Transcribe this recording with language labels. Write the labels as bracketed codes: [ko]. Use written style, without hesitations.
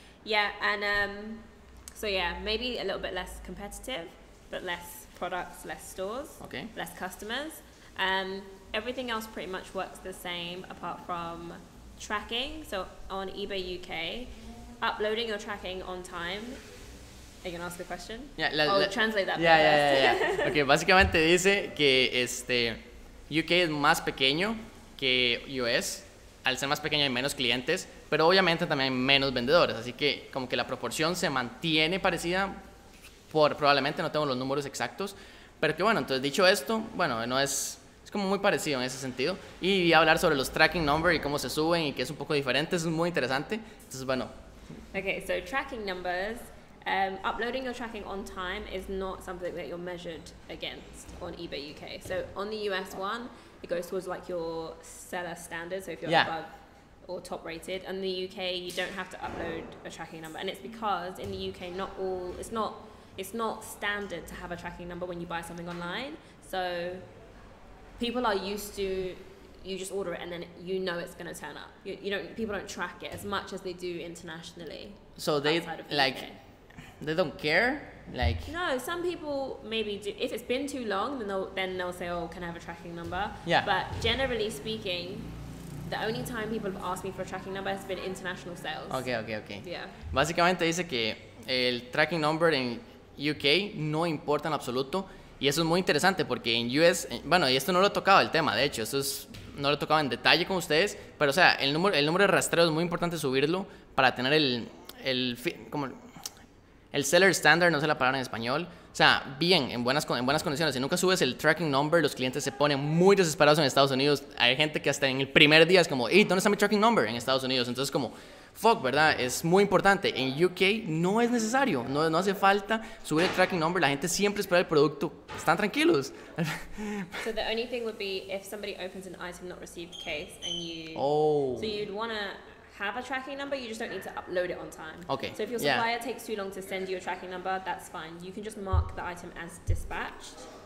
[en] Yeah, and so yeah, maybe a little bit less competitive. But less products, less stores, okay. Less customers. Everything else pretty much works the same apart from tracking. So on eBay UK, uploading your tracking on time. Are you gonna ask a question? Yeah, translate that. Yeah. [es] Okay, básicamente dice que este UK es más pequeño que US. Al ser más pequeño hay menos clientes, pero obviamente también hay menos vendedores. Así que como que la proporción se mantiene parecida. Probablemente no tengo los números exactos, pero que bueno, entonces dicho esto, bueno, no es, es como muy parecido en ese sentido. Y hablar sobre los tracking number y cómo se suben y que es un poco diferente, eso es muy interesante. Entonces, bueno. [en] Okay, so tracking numbers, uploading your tracking on time is not something that you're measured against on eBay UK. So on the US one, it goes towards like your seller standards, so if you're above or top rated. And the UK, you don't have to upload a tracking number. And it's because in the UK, it's not standard to have a tracking number when you buy something online. So people are used to, you just order it and then you know it's gonna turn up. People don't track it as much as they do internationally. So they, like, they don't care? Like, no, some people maybe do. If it's been too long, then they'll say, oh, can I have a tracking number? Yeah. But generally speaking, the only time people have asked me for a tracking number has been international sales. Okay. Yeah. [es] Básicamente dice que el tracking number en UK no importa en absoluto, y eso es muy interesante porque en US, bueno, y esto no lo he tocado el tema, de hecho, esto es, no lo he tocado en detalle con ustedes, pero o sea, el número de rastreo es muy importante subirlo para tener el seller standard, no sé la palabra en español, o sea, bien, en buenas condiciones. Si nunca subes el tracking number, los clientes se ponen muy desesperados en Estados Unidos. Hay gente que hasta en el primer día es como, hey, ¿dónde está mi tracking number en Estados Unidos? Entonces como, fuck, ¿verdad? Es muy importante. En UK no es necesario, no hace falta subir el tracking number. La gente siempre espera el producto. Están tranquilos. [en] So the only thing would be if somebody opens an item not received case and you... Oh. So you'd want to have a tracking number, you just don't need to upload it on time. Okay. So if your supplier takes too long to send you a tracking number, that's fine. You can just mark the item as dispatched.